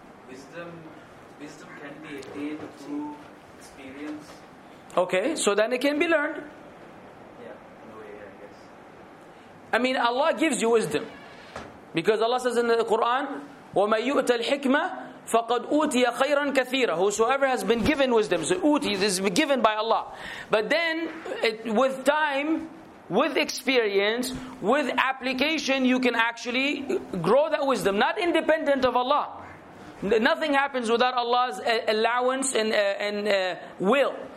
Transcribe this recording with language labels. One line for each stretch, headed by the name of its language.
English: Wisdom can be attained through experience. Okay, so then it can be learned. Yeah, in a way, I guess. I mean, Allah gives you wisdom. Because Allah says in the Quran,
Arabic: وَمَن يُؤْتَ الْحِكْمَةَ فَقَدْ أُوْتِيَ خَيْرًا كَثِيرًا.
English: Whosoever has been given wisdom. So أُوْتِي, this is given by Allah. But then, with time, with experience, with application, you can actually grow that wisdom. Not independent of Allah. Nothing happens without Allah's allowance and will.